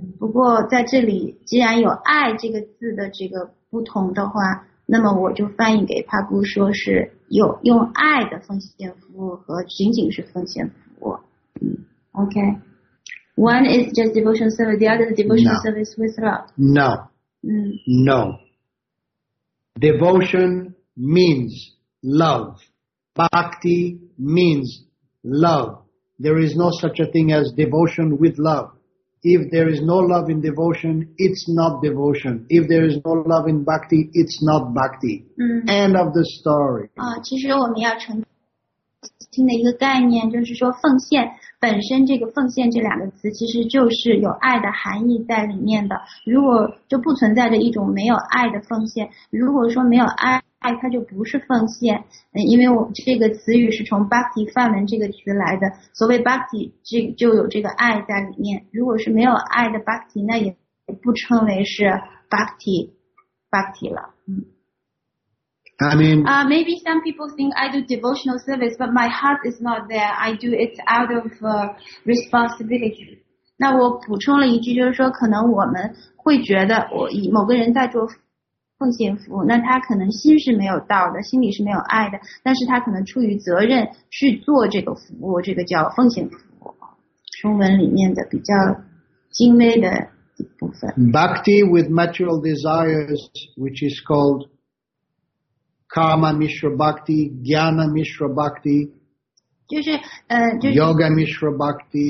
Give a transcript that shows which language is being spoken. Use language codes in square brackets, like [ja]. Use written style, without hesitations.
[zh] 不过在这里既然有爱这个字的这个不同的话，那么我就翻译给帕布说是有用爱的奉献服务和仅仅是奉献服务。 [en] Okay. One is just devotional service, the other is devotional service with love. No. Devotion means love. Bhakti means love. There is no such a thing as devotion with love. If there is no love in devotion, it's not devotion. If there is no love in bhakti, it's not bhakti. End of the story. [zh] 其实我们要澄清的一个概念就是说奉献本身这个奉献这两个词其实就是有爱的含义在里面的。如果就不存在着一种没有爱的奉献，如果说没有爱它就不是奉献，因为我这个词语是从 bhakti 梵文这个词来的，所谓 bhakti 就有这个爱在里面，如果是没有爱的 bhakti 那也不称为是 bhakti 了。 [en] Maybe some people think I do devotional service, but my heart is not there. I do it out of responsibility. [zh] 那我补充了一句，就是说可能我们会觉得我以某个人在做奉献服务，那他可能心是没有道的，心里是没有爱的，但是他可能出于责任去做这个服务，这个叫奉献服务，中文里面的比较精微的一部分。 [en] Bhakti with material desires, which is called Kama Mishra Bhakti, Jnana Mishra Bhakti, Yoga Mishra Bhakti,